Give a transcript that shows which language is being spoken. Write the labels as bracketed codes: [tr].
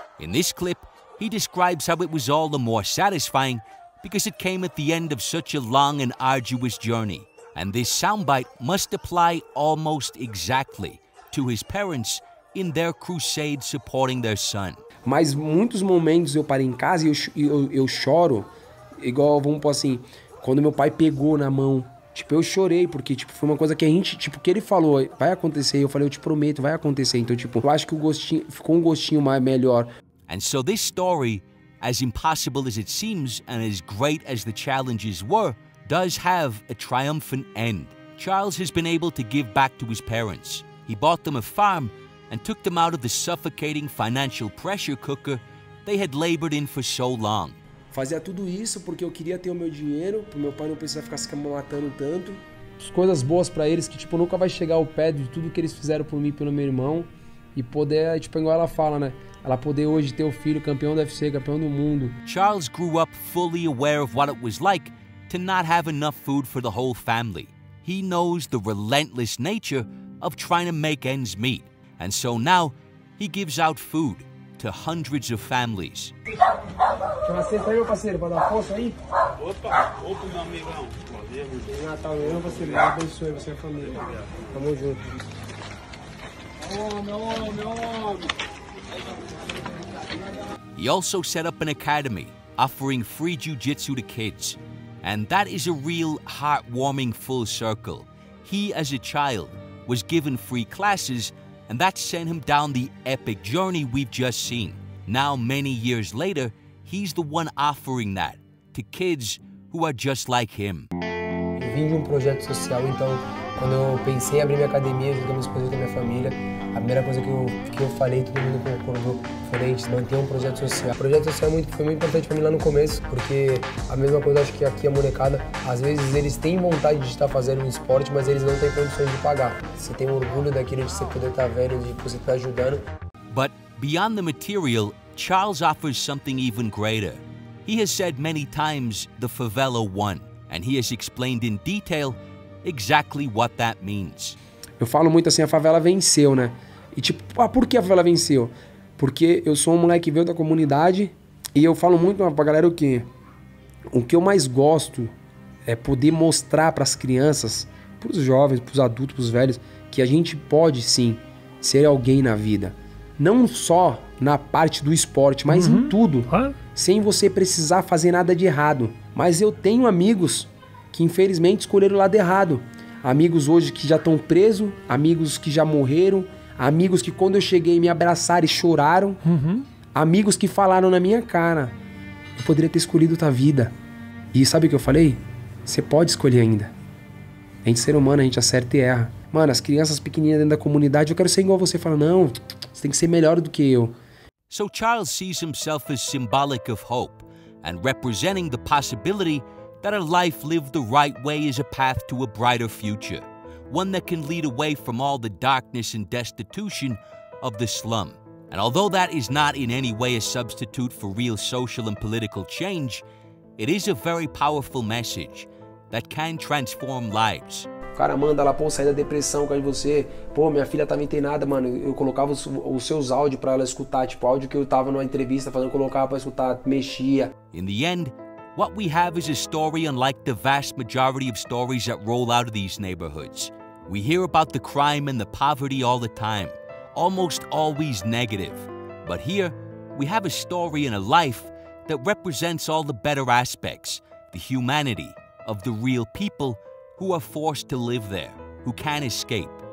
[en] This clip, he describes how it was all the more satisfying because it came at the end of such a long and arduous journey. And this soundbite must apply almost exactly to his parents in their crusade supporting their son. [pt] Mas muitos momentos eu paro em casa e eu choro, igual, vamos pôr assim, quando meu pai pegou na mão. Tipo, eu chorei, porque tipo, foi uma coisa que a gente, tipo, que ele falou, vai acontecer, eu falei, eu te prometo, vai acontecer. Então, tipo, eu acho que o gostinho, ficou um gostinho mais melhor. [en] And so this story, as impossible as it seems and as great as the challenges were, does have a triumphant end. Charles has been able to give back to his parents. He bought them a farm and took them out of the suffocating financial pressure cooker they had labored in for so long. [pt] Fazia tudo isso porque eu queria ter o meu dinheiro, pro meu pai não precisar ficar se matando tanto. As coisas boas para eles que tipo nunca vai chegar ao pé de tudo que eles fizeram por mim, pelo meu irmão. E poder, tipo, igual ela fala, né? Ela poder hoje ter o filho campeão da UFC, campeão do mundo. [en] Charles grew up fully aware of what it was like to not have enough food for the whole family. He knows the relentless nature of trying to make ends meet. And so now, he gives out food to hundreds of families. [pt] Acerta aí, meu parceiro, para dar força aí. Opa, opa, meu amigão. Natal, meu irmão, parceiro, Deus abençoe você e a família. Tamo junto. [en] He also set up an academy, offering free jiu-jitsu to kids. And that is a real heartwarming full circle. He, as a child, was given free classes, and that sent him down the epic journey we've just seen. Now, many years later, he's the one offering that to kids who are just like him. [pt] Eu vim de projeto social, então quando eu pensei em abrir minha academia junto com a minha esposa e com a minha família, a primeira coisa que eu falei, todo mundo concordou, foi a gente manter projeto social. O projeto social foi muito importante para mim lá no começo, porque a mesma coisa, acho que aqui a molecada, às vezes eles têm vontade de estar fazendo um esporte, mas eles não têm condições de pagar. Você tem orgulho daquilo de você poder estar vendo, de você estar ajudando. [en] But beyond the material, Charles offers something even greater. He has said many times the favela won, and he has explained in detail exactly what that means. [pt] Eu falo muito assim, a favela venceu, né? E tipo, ah, por que a favela venceu? Porque eu sou um moleque que veio da comunidade e eu falo muito pra galera o que eu mais gosto é poder mostrar pras crianças, pros jovens, pros adultos, pros velhos, que a gente pode sim ser alguém na vida. Não só na parte do esporte, mas em tudo. Sem você precisar fazer nada de errado. Mas eu tenho amigos que infelizmente escolheram o lado errado. Amigos hoje que já estão presos, amigos que já morreram, amigos que quando eu cheguei me abraçaram e choraram, amigos que falaram na minha cara, eu poderia ter escolhido tua vida. E sabe o que eu falei? Você pode escolher ainda. A gente ser humano, a gente acerta e erra. Mano, as crianças pequenininhas dentro da comunidade, eu quero ser igual a você. Fala, não, você tem que ser melhor do que eu. [en] So Charles sees himself as symbolic of hope and representing the possibility that a life lived the right way is a path to a brighter future, one that can lead away from all the darkness and destitution of the slum. And although that is not in any way a substitute for real social and political change, it is a very powerful message that can transform lives. [pt] O cara manda lá, pô, sai da depressão, cara, de você. Pô, minha filha tava internada, mano. Eu colocava os seus áudios pra ela escutar, tipo, áudio que eu tava numa entrevista fazendo, colocava pra escutar, mexia. [en] In the end, what we have is a story unlike the vast majority of stories that roll out of these neighborhoods. We hear about the crime and the poverty all the time, almost always negative. But here, we have a story and a life that represents all the better aspects, the humanity of the real people who are forced to live there, who can't escape.